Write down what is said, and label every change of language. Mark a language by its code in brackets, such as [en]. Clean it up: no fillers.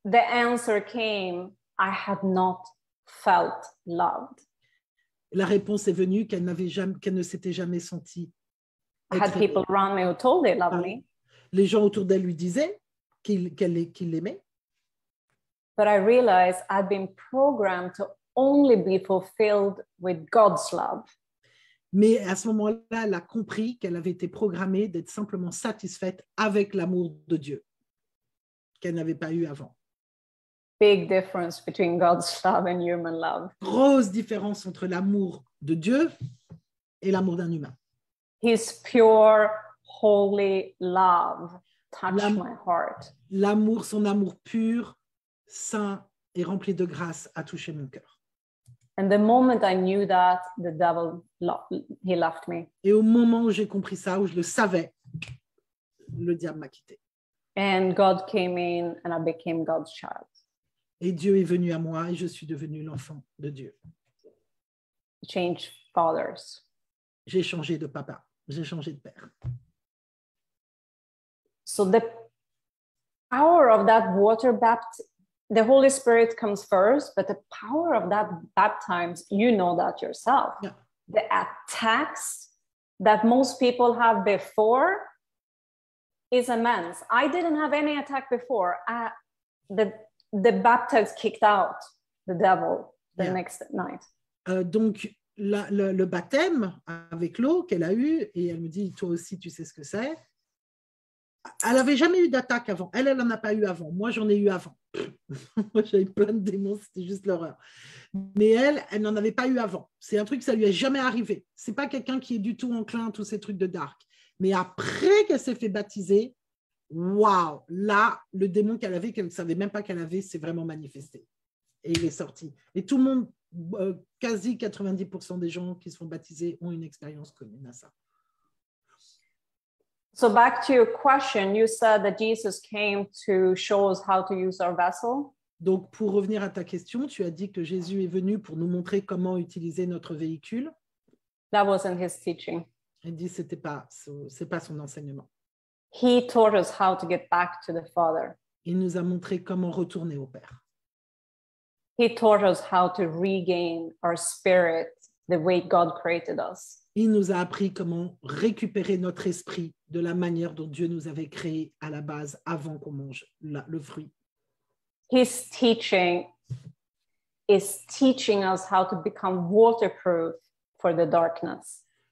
[en] the answer came, I had not felt loved. [fr] La réponse est venue qu'elle n'avait jamais, qu'elle ne s'était jamais sentie. [en] I had people around me who told they loved me. [fr] Les gens autour d'elle lui disaient qu'il l'aimait. [en] But I realized I'd been programmed to only be fulfilled with God's love. [fr] Mais à ce moment-là, elle a compris qu'elle avait été programmée d'être simplement satisfaite avec l'amour de Dieu, qu'elle n'avait pas eu avant. [en] Big difference between God's love and human love. [fr] Grosse différence entre l'amour de Dieu et l'amour d'un humain. [en] His pure, holy love touched my heart. [fr] L'amour, son amour pur, saint et rempli de grâce a touché mon cœur. [en] And the moment I knew that, the devil, he left me. [fr] Et au moment où j'ai compris ça, où je le savais, le diable m'a quitté. [en] And God came in and I became God's child. [fr] Et Dieu est venu à moi et je suis devenue l'enfant de Dieu. [en] Change fathers. [fr] J'ai changé de papa, j'ai changé de père. [en] So the power of that water baptism, the Holy Spirit comes first, but the power of that baptism, you know that yourself. Yeah. The attacks that most people have before is immense. I didn't have any attack before. The baptism kicked out the devil the next night. [fr] Donc, le baptême avec l'eau qu'elle a eue, et elle me dit, toi aussi, tu sais ce que c'est. Elle n'avait jamais eu d'attaque avant. Elle n'en a pas eu avant. Moi, j'en ai eu avant. Moi, j'avais plein de démons, c'était juste l'horreur. Mais elle n'en avait pas eu avant. C'est un truc, ça lui est jamais arrivé. Ce n'est pas quelqu'un qui est du tout enclin à tous ces trucs de dark. Mais après qu'elle s'est fait baptiser, waouh, là, le démon qu'elle avait, qu'elle ne savait même pas qu'elle avait, s'est vraiment manifesté. Et il est sorti. Et tout le monde, quasi 90% des gens qui se font baptiser ont une expérience commune à ça. [en] So back to your question, you said that Jesus came to show us how to use our vessel. [fr] Donc pour revenir à ta question, tu as dit que Jésus est venu pour nous montrer comment utiliser notre véhicule. [en] That wasn't his teaching. [fr] Il dit c'était pas, c'est pas son enseignement. [en] He taught us how to get back to the Father. [fr] Il nous a montré comment retourner au Père. [en] He taught us how to regain our spirit the way God created us. [fr] Il nous a appris comment récupérer notre esprit de la manière dont Dieu nous avait créé à la base avant qu'on mange le fruit. [en] His teaching is teaching us how to become waterproof for the darkness.